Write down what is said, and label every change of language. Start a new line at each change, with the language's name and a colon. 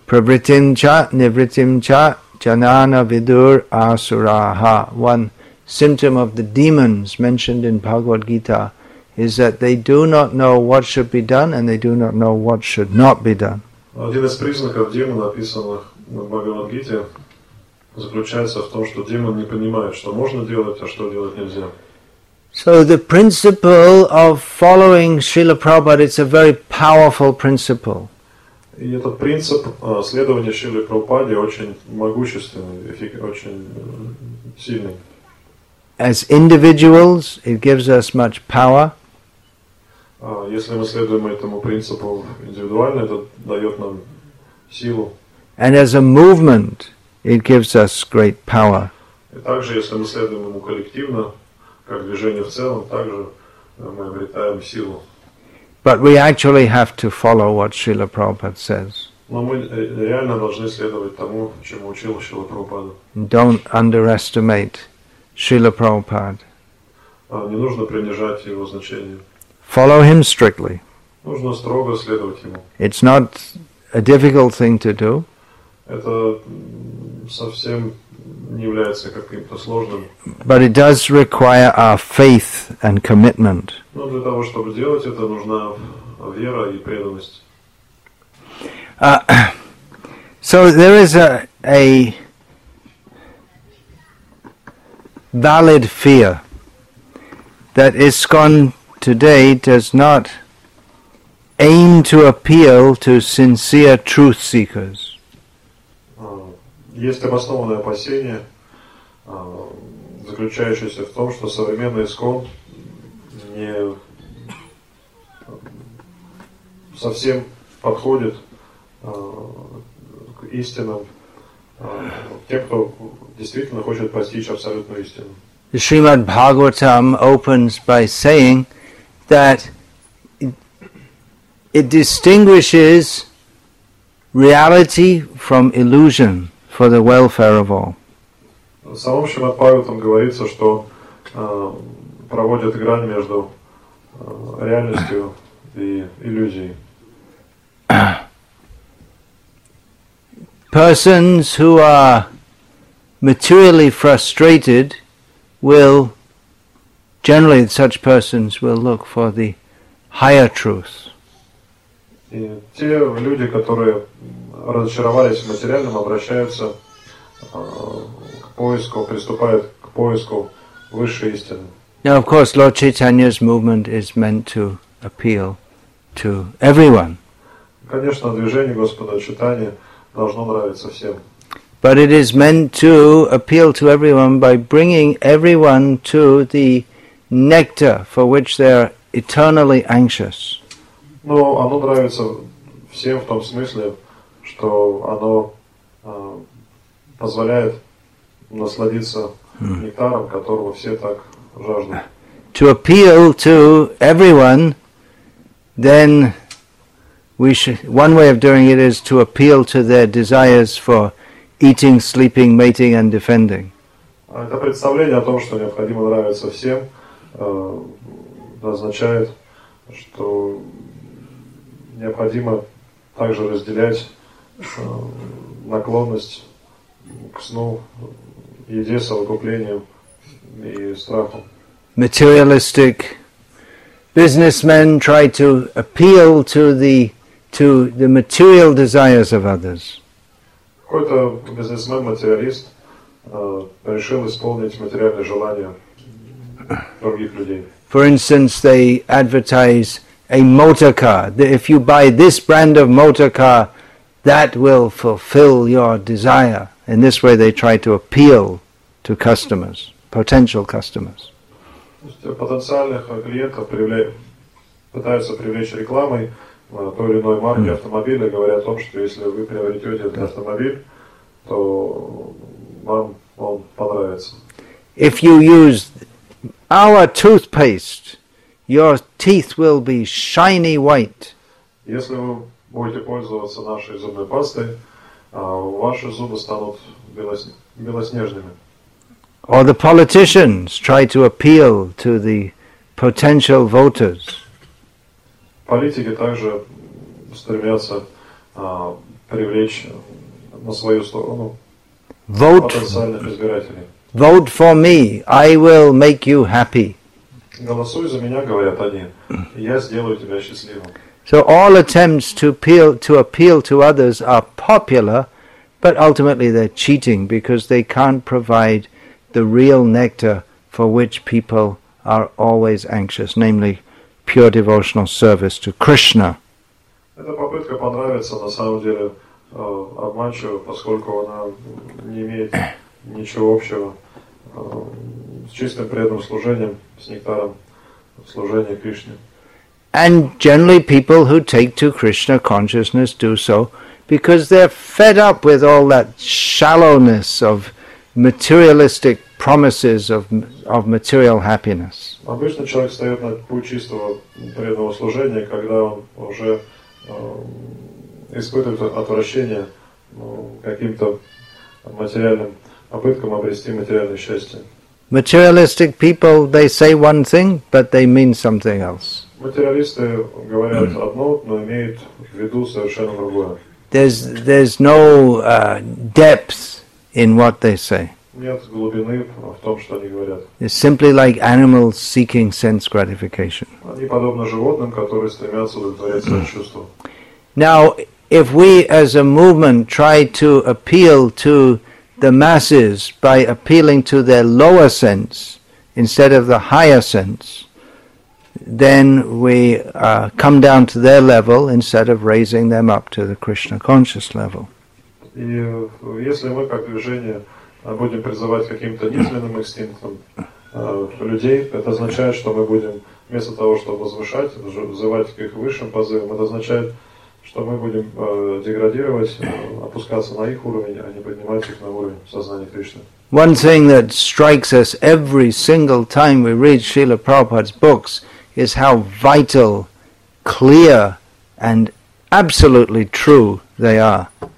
Sanskrit: Pravritim cha nivritim cha janana vidur asuraha.
English: One symptom of the demons mentioned in Bhagavad Gita is that they do not know what should be done and they do not know what should not be done.
Russian: Один из признаков демона, описанных в Бхагавад Гите, заключается в том, что демон не понимает, что можно делать, а что делать нельзя.
English: So the principle of following Srila Prabhupada, it's a very powerful principle.
Russian: И этот принцип следования Шриле Прабхупаде очень могущественный, очень сильный.
English: As individuals, it gives us much power.
Russian: Если мы следуем этому принципу индивидуально, это дает нам силу.
English: And as a movement, it gives us great power.
Russian: И также, если мы следуем ему коллективно, как движение в целом, также мы обретаем силу.
English: But we actually have to follow what Srila Prabhupada says.
Russian: Но мы реально должны следовать тому, чему учил Шрила Прабхупада.
English: Don't underestimate Srila Prabhupada.
Russian: Не нужно принижать его значение.
English: Follow him strictly.
Russian: Нужно строго следовать ему.
English: It's not a difficult thing to do.
Russian: Это совсем не является каким-то сложным.
English: But it does require our faith and commitment.
Russian: Но для того, чтобы сделать это, нужна вера и преданность.
English: So there is a valid fear that ISKCON today does not aim to appeal to sincere truth seekers.
Russian: Есть обоснованное опасение, заключающееся в том, что современный ISKCON не совсем подходит к истинам, тем, кто действительно хочет постичь абсолютную истину.
English: Шримад Бхагаватам opens by saying that it distinguishes reality from illusion for the welfare of all.
Russian: В самом Шримад Бхагаватам говорится, что проводит грань между реальностью и иллюзией.
English: Persons who are materially frustrated will, generally such persons will look for the higher truth.
Russian: И те люди, которые разочаровались в материальном, обращаются к поиску, приступают к поиску высшей истины.
English: Now, of course, Lord Chaitanya's movement is meant to appeal to everyone.
Russian: Конечно, движение Господа Чайтаньи должно нравиться всем.
English: But it is meant to appeal to everyone by bringing everyone to the nectar for which they are eternally anxious.
Russian: Но оно нравится всем в том смысле, что оно позволяет насладиться нектаром, которого все так жаждут.
English: To appeal to everyone, then one way of doing it is to appeal to their desires for eating, sleeping, mating, and defending.
Russian: Это представление о том, что необходимо нравиться всем, означает, что необходимо также разделять наклонность к сну, еде, совокуплением и страхом.
English: Materialistic businessmen try to appeal to the material desires of others.
Russian: Какой-то бизнесмен-материалист решил исполнить материальные желания других людей.
English: For instance, they advertise a motor car. If you buy this brand of motor car, that will fulfill your desire. In this way, they try to appeal to customers, potential customers.
Russian: Потенциальных клиентов пытаются привлечь рекламой той или иной марки автомобиля, говоря о том, что если вы приобретете этот автомобиль, то вам он понравится.
English: If you use our toothpaste, your teeth will be shiny white.
Russian: Если вы будете пользоваться нашей зубной пастой, ваши зубы станут белоснежными.
English: Or the politicians try to appeal to the potential voters.
Russian: Политики также стремятся привлечь на свою сторону потенциальных избирателей.
English: Vote for me, I will make you happy.
Russian: Голосуй за меня, говорят они, и я сделаю тебя счастливым.
English: So all attempts to appeal to others are popular, but ultimately they're cheating because they can't provide the real nectar for which people are always anxious, namely pure devotional service to Krishna.
Russian: Эта попытка понравиться на самом деле обманчива, поскольку она не имеет ничего общего с чистым преданным служением, с нектаром служения Кришне.
English: And generally people who take to Krishna consciousness do so because they're fed up with all that shallowness of materialistic promises of material happiness.
Russian: Обычно человек встает на путь чистого преданного служения, когда он уже испытывает отвращение каким-то материальным попыткам обрести материальное счастье.
English: Materialistic people, they say one thing, but they mean something else.
Russian: Материалисты говорят одно, но имеют в виду совершенно другое.
English: There's no depth in what they say.
Russian: Нет глубины в том, что они говорят.
English: It's simply like animals seeking sense gratification.
Russian: Они подобны животным, которые стремятся удовлетворять свои чувства.
English: Now, if we as a movement try to appeal to the masses by appealing to their lower sense instead of the higher sense, then we come down to their level instead of raising them up to the Krishna conscious level.
Russian: И если мы как движение будем призывать каким-то низменным инстинктам людей, это означает, что мы будем вместо того, чтобы возвышать, взывать к их высшим позывам, это означает, что мы будем деградировать, опускаться на их уровень, а не поднимать их на уровень сознания Кришны.
English: One thing that strikes us every single time we read Srila Prabhupada's books is how vital, clear, and absolutely true they are.